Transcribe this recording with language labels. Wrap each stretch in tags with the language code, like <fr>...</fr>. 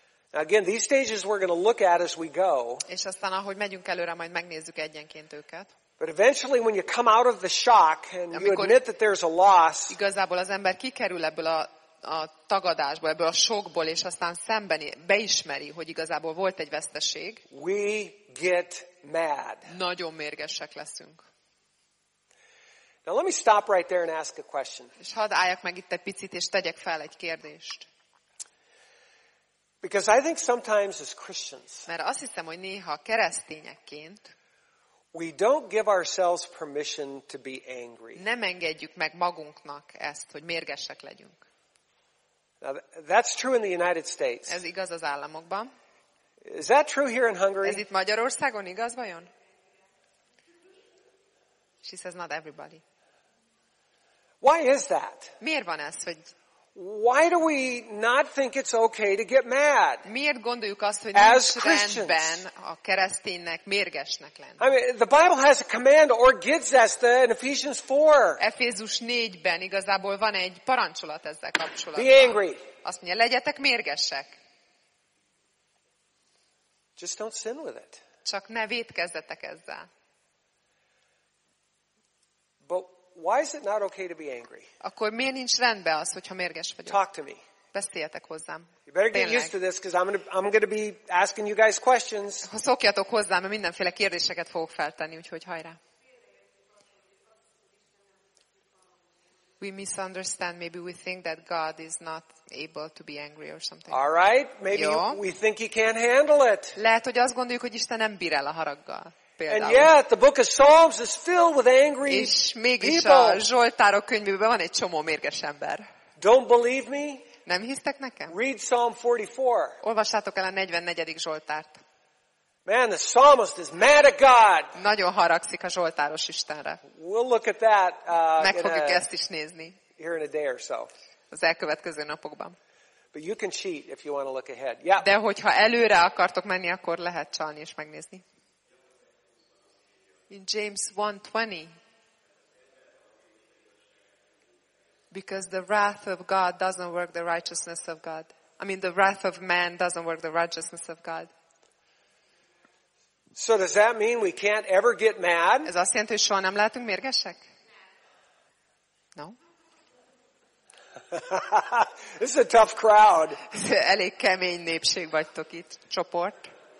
<en>Now again, these stages we're going to look at as we go.</en> <hu>És aztán ahogy megyünk előre, majd megnézzük egyenként őket.</hu> <en>But eventually when you come out of the shock and you admit that there's a loss.</en> <hu>Igazából az ember kikerül ebből a tagadásból, ebből a sokból, és aztán szembeni, beismeri, hogy igazából volt egy veszteség.</hu> <en>We get mad.</en> <hu>Nagyon mérgesek leszünk.</hu> <en>Now let me stop right there and ask a question.</en> <hu>És hadd álljak meg itt egy picit, és tegyek fel egy kérdést.</hu> <en>Because I think sometimes as Christians,</en> <hu>mert azt hiszem, hogy néha keresztényekként</hu> <en>we don't give ourselves permission to be angry.</en> <hu>Nem engedjük meg magunknak ezt, hogy mérgesek legyünk.</hu> <en>Now, that's true in the United States.</en> <hu>Ez igaz az államokban.</hu> <en>Is that true here in Hungary?</en> <hu>Ez itt Magyarországon igaz vajon?</hu> <en>She says not everybody. Why is that?</en> <hu>Miért van ez, hogy</hu> <en>why do we not think it's okay to get mad?</en> <hu>Miért gondoljuk azt, hogy nincs rendben a kereszténynek mérgesnek lenni?</hu> <en>I mean, the Bible has a command or gives us the in Ephesians 4.</en> <hu>Efézus 4-ben igazából van egy parancsolat ezzel kapcsolatban.</hu> <en>Be angry.</en> <hu>Azt mondja, legyetek mérgesek.</hu> <en>Just don't sin with it.</en> <hu>Csak ne vétkezzetek ezzel.</hu> <en>But why is it not okay to be angry?</en> <hu>Akkor miért nincs rendben az, hogyha mérges vagyok?</hu> <en>Talk to me.</en> <hu>Beszéljetek hozzám.</hu> <en>You better get used to this, because I'm gonna be asking you guys questions.</en> <hu>Szokjatok hozzám, mert mindenféle kérdéseket fogok feltenni, úgyhogy hajrá.</hu> <en>We misunderstand. Maybe we think that God is not able to be angry or something. All right. Maybe we think He can't handle it.</en> <hu>Lehet, hogy azt gondoljuk, hogy Isten nem bír el a haraggal. Például.</hu> <en>And yet, the Book of Psalms is filled with angry people.</en> <hu>És mégis a Zsoltárok könyvében van egy csomó mérges ember.</hu> <en>Don't believe me?</en> <hu>Nem hisztek nekem?</hu> <en>Read Psalm 44.</en> <hu>Olvassátok el a 44. Zsoltárt.</hu> <en>Man, the psalmist is mad at God.</en> <hu>Nagyon haragszik a zsoltáros Istenre.</hu> <en>We'll look at that.</en> <hu>Meg fogjuk ezt is nézni.</hu> <en>Here in a day or so.</en> <hu>Az elkövetkező napokban.</hu> <en>But you can cheat if you want to look ahead. Yeah.</en> <hu>De hogyha előre akartok menni, akkor lehet csalni és megnézni.</hu> <en>In James 1:20. Because the wrath of God doesn't work the righteousness of God. I mean, the wrath of man doesn't work the righteousness of God. So does that mean we can't ever get mad?</en> <hu>Ez azt jelenti, hogy soha nem lehetünk mérgesek?</hu> <en>No. This is a tough crowd.</en> <hu>Elég kemény népség vagytok itt, csoport.</hu>